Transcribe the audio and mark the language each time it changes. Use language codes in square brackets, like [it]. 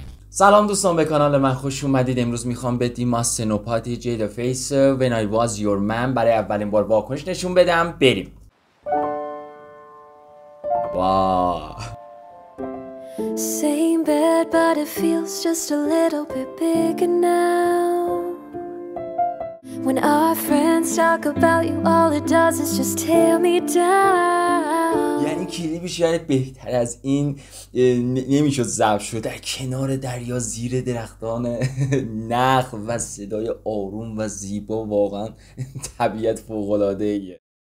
[fa] سلام دوستان، به کانال من خوش اومدید. امروز میخوام به دیماس سنوپاتی جید فیس When I Was Your Man برای اولین بار واکنش نشون بدم. بریم. [en] وا Same bed but it feels just a little bit bigger now. When our friends talk about you all it does is just tear me down. [fa] یعنی کلیپش یعنی بهتر از این نمیشد ضبط شد. در کنار دریا زیر درختان نخ و صدای آروم و زیبا، واقعا طبیعت فوق‌العاده ایه.